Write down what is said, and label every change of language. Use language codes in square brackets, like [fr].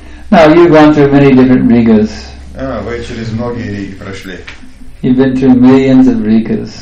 [en] Now you've gone through many different Rigas. [ru] Вы через многие Риги прошли. [en] You've been through millions of Rigas.